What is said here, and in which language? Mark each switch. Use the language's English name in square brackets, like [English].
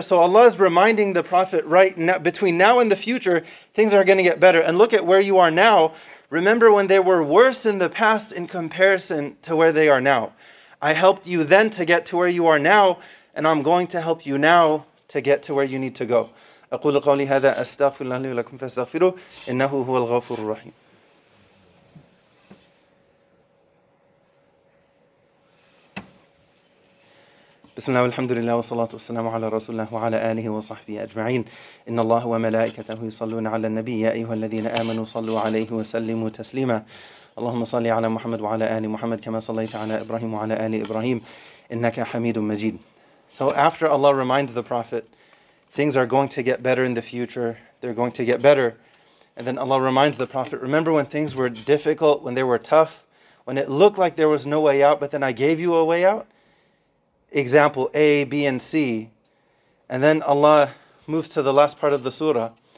[English] So Allah is reminding the Prophet right now, between now and the future, things are going to get better. And look at where you are now. Remember when they were worse in the past in comparison to where they are now. I helped you then to get to where you are now, and I'm going to help you now to get to where you need to go. [Arabic] أقول قولي هذا أستغفر الله لي ولكم فاستغفروا إنه هو الغفور الرحيم. بسم الله والحمد لله والصلاة والسلام على رسول الله وعلى آله وصحبه أجمعين. إن الله وملائكته يصلون على النبي يا أيها الذين آمنوا صلوا عليه وسلموا تسليما. اللهم صل على محمد وعلى آل محمد كما صليت على إبراهيم وعلى آل إبراهيم إنك حميد مجيد. [English] So after Allah reminds the Prophet, things are going to get better in the future, they're going to get better. And then Allah reminds the Prophet, remember when things were difficult, when they were tough, when it looked like there was no way out, but then I gave you a way out? Example A, B, and C. And then Allah moves to the last part of the surah.